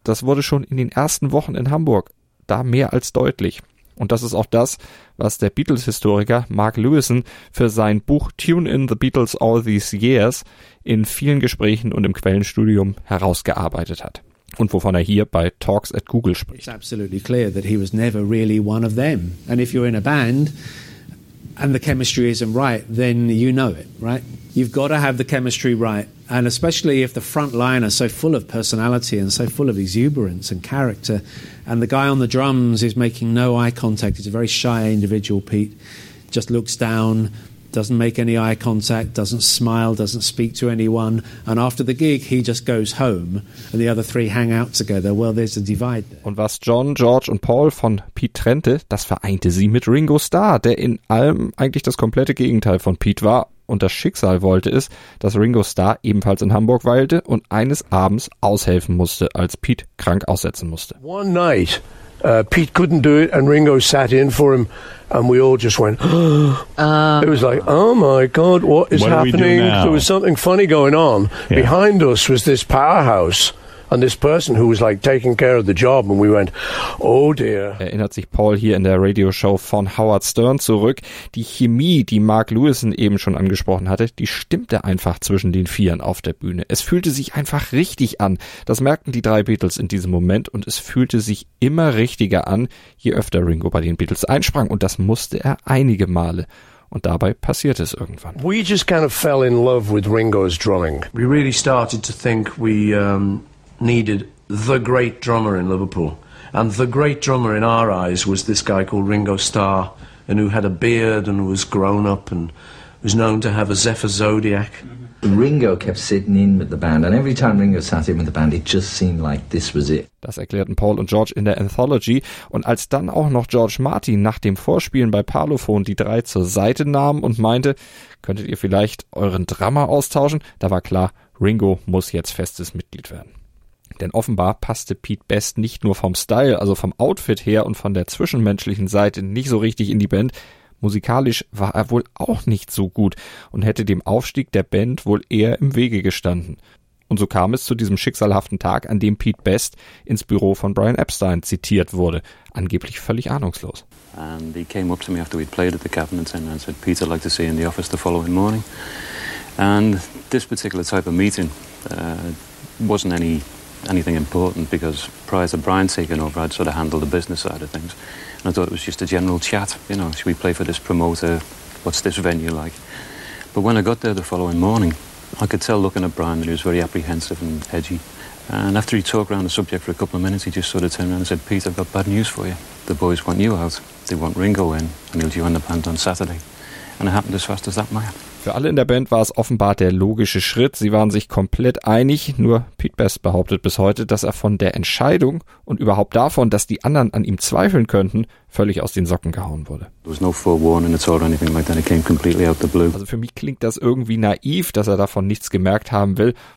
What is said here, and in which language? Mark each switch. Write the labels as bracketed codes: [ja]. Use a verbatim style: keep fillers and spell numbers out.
[de] Das wurde schon in den ersten Wochen in Hamburg da mehr als deutlich. Und das ist auch das, was der Beatles-Historiker Mark Lewison für sein Buch Tune in the Beatles All These Years in vielen Gesprächen und im Quellenstudium herausgearbeitet hat. Und wovon er hier bei Talks at Google spricht. [en] It's absolutely clear that he was never really one of them. And if you're in a band and the chemistry isn't right, then you know it, right? You've got to have the chemistry right. And especially if the front line are so full of personality and so full of exuberance and character, and the guy on the drums is making no eye contact. He's a very shy individual, Pete. Just looks down, doesn't make any eye contact, doesn't smile, doesn't speak to anyone. And after the gig, he just goes home and the other three hang out together. Well, there's a divide there. [de] Und was John, George und Paul von Pete trennte, das vereinte sie mit Ringo Starr, der in allem eigentlich das komplette Gegenteil von Pete war. Und das Schicksal wollte es, dass Ringo Starr ebenfalls in Hamburg weilte und eines Abends aushelfen musste, als Pete krank aussetzen musste. [en] One night, uh, Pete couldn't do it and Ringo sat in for him. And we all just went, oh. uh, it was like, oh my God, what is what happening? There was something funny going on. Yeah. Behind us was this powerhouse and this person who was like taking care of the job. And we went, oh dear. [de] Erinnert sich Paul hier in der Radioshow von Howard Stern zurück. Die Chemie, die Mark Lewison eben schon angesprochen hatte, die stimmte einfach zwischen den Vieren auf der Bühne. Es fühlte sich einfach richtig an. Das merkten die drei Beatles in diesem Moment und es fühlte sich immer richtiger an, je öfter Ringo bei den Beatles einsprang. Und das musste er einige Male. Und dabei passierte es irgendwann. [en] We just kind of fell in love with Ringo's drumming. We really started to think we... Um needed the great drummer in Liverpool. And the great drummer in our eyes was this guy called Ringo Starr, and who had a beard and was grown up and was known to have a Zephyr Zodiac. Ringo kept sitting in with the band, and every time Ringo sat in with the band, it just seemed like this was it. [de] Das erklärten Paul und George in der Anthology. Und als dann auch noch George Martin nach dem Vorspielen bei Parlophone die drei zur Seite nahm und meinte, könntet ihr vielleicht euren Drummer austauschen? Da war klar, Ringo muss jetzt festes Mitglied werden. Denn offenbar passte Pete Best nicht nur vom Style, also vom Outfit her und von der zwischenmenschlichen Seite nicht so richtig in die Band. Musikalisch war er wohl auch nicht so gut und hätte dem Aufstieg der Band wohl eher im Wege gestanden. Und so kam es zu diesem schicksalhaften Tag, an dem Pete Best ins Büro von Brian Epstein zitiert wurde, angeblich völlig ahnungslos. [en] And he came up to me after we'd played at the Cavern and said, Pete, I'd like to see you in the office the following morning. And this particular type of meeting uh, wasn't any... anything important because prior to Brian taking over, I'd sort of handled the business side of things, and I thought it was just a general chat, you know, should we play for this promoter, what's this venue like? But when I got there the following morning, I could tell looking at Brian that he was very apprehensive and edgy, and after he talked around the subject for a couple of minutes, he just sort of turned around and said, Pete, I've got bad news for you. The boys want you out, they want Ringo in, and he'll join the band on Saturday. And it happened as fast as that might. [de] Für alle in der Band war es offenbar der logische Schritt. Sie waren sich komplett einig, nur Pete Best behauptet bis heute, dass er von der Entscheidung und überhaupt davon, dass die anderen an ihm zweifeln könnten, völlig aus den Socken gehauen wurde. Also für mich klingt das irgendwie naiv, dass er davon nichts gemerkt haben will.